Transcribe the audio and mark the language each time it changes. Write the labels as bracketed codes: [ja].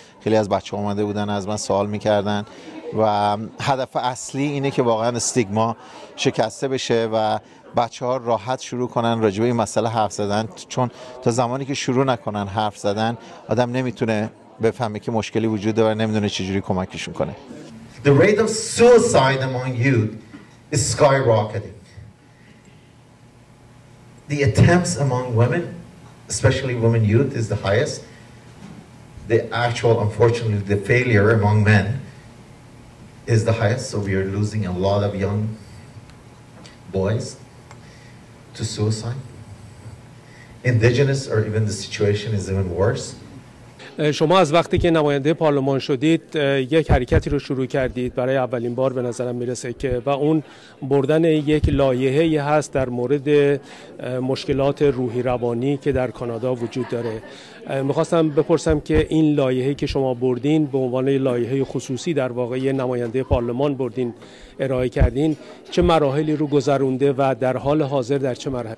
[fa] خیلی از بچه ها اومده بودن از من سوال میکردن و هدف اصلی اینه که واقعا استیگما شکسته بشه و بچه ها راحت شروع کنن راجع به این مسئله حرف زدن، چون تا زمانی که شروع نکنن حرف زدن آدم نمیتونه بفهمه که مشکلی وجود داره و نمیدونه چجوری کمکشون کنه. [en] The rate of suicide among youth is skyrocketing. The attempts among women, especially women youth, is the highest. The actual, unfortunately, the failure among men is the highest. So we are losing a lot of young boys to suicide. Indigenous or even the situation is even worse. [fa] شما از وقتی که نماینده پارلمان شدید یک حرکتی رو شروع کردید برای اولین بار به نظرم میرسه که و اون بردن یک لایحه هست در مورد مشکلات روحی روانی که در کانادا وجود داره. میخواستم بپرسم که این لایحه که شما بردین به عنوان لایحه خصوصی در واقع نماینده پارلمان بردین ارائه کردین، چه مراحلی رو گذرونده و در حال حاضر در چه مرحله؟